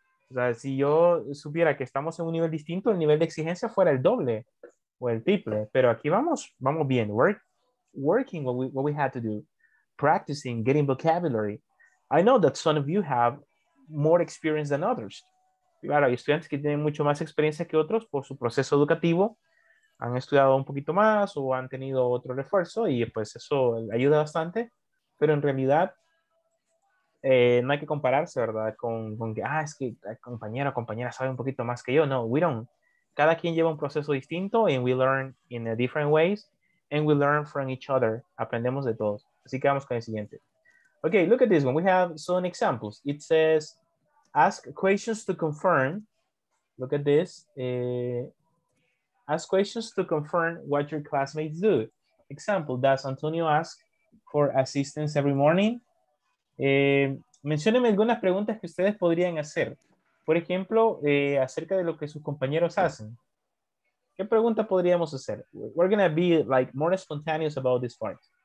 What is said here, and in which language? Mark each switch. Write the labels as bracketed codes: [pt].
[es] O sea, si yo supiera que estamos en un nivel distinto, el nivel de exigencia fuera el doble o el triple, pero aquí vamos bien. [en] Working what we had to do. Practicing, getting vocabulary. I know that some of you have more experience than others. [es] Claro, hay estudiantes que tienen mucho más experiencia que otros por su proceso educativo. Han estudiado un poquito más o han tenido otro refuerzo y pues eso ayuda bastante. Pero en realidad no hay que compararse, ¿verdad? Con que, es que compañero o compañera sabe un poquito más que yo. [en] No, we don't. [es] Cada quien lleva un proceso distinto [en] and we learn in a different ways and we learn from each other. [es] Aprendemos de todos. Así que vamos con el siguiente. [en] Okay, look at this one. We have some examples. It says, ask questions to confirm. Look at this. Ask questions to confirm what your classmates do. Example, does Antonio ask for assistance every morning? [es] Mencionenme algunas preguntas que ustedes podrían hacer. Por ejemplo, acerca de lo que sus compañeros hacen. ¿Qué pregunta podríamos hacer? [en] We're going to be like more spontaneous about this part.